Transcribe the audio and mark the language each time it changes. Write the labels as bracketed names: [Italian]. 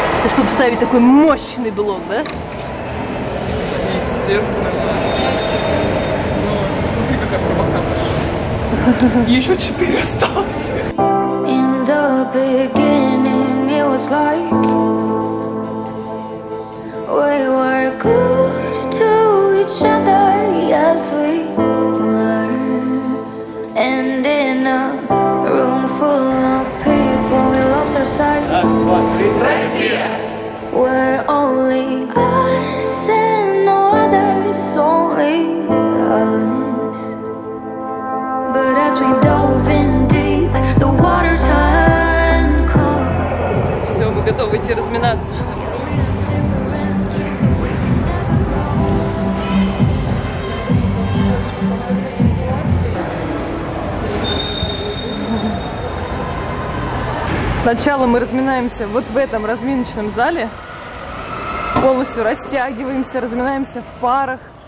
[Russian] чтобы вставить такой мощный блок, да? Естественно. Ну, смотри, какая провокация. Еще 4 осталось. [English] In the beginning it was like we were good to each other, yes we were. And in a room full of people we lost our sight. We're only us and no others, only us. But as we dove in deep, the water turned cold. [Russian] Все, вы готовы идти разминаться? Сначала мы разминаемся вот в этом разминочном зале. Полностью растягиваемся, разминаемся в парах.